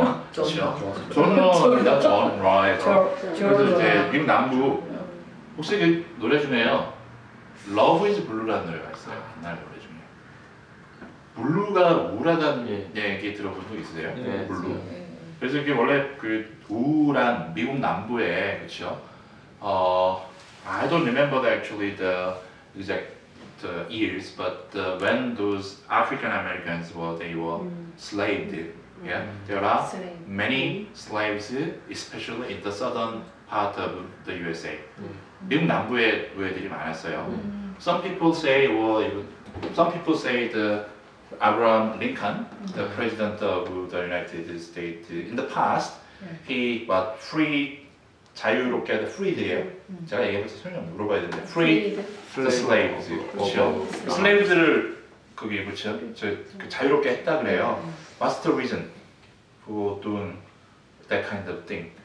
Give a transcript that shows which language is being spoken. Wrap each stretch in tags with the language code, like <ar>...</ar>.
<ko>그렇죠. 존러입니다. 존러에서 그래서 이제 미국 남부 혹시 그 노래 중에요 Love is Blue라는 노래가 있어요. 옛날 노래 중에 블루가 우울하다는 얘기 들어본 적 있으세요? 네, 블루. 네. 그래서 이게 원래 그 우울한 미국 남부에 그렇죠.</ko> <en>I don't remember that actually the exact the years, but when those African Americans were, they were enslaved. Yeah, there are many slaves, especially in the southern part of the USA.</en> <ko>미국 남부에 노예들이 많았어요.</ko> <en>Some people say, well, some people say the Abraham Lincoln, the president of the United States, in the past, he was free.</en> <ko>자유롭게 하다 freed예요. 제가 얘기해서 설명 물어봐야 되는데 free the slaves 그렇죠. 슬레이브들을 거기에 붙여 그 자유롭게 했다 그래요.</ko> <en>What's the reason for doing that kind of thing?</en>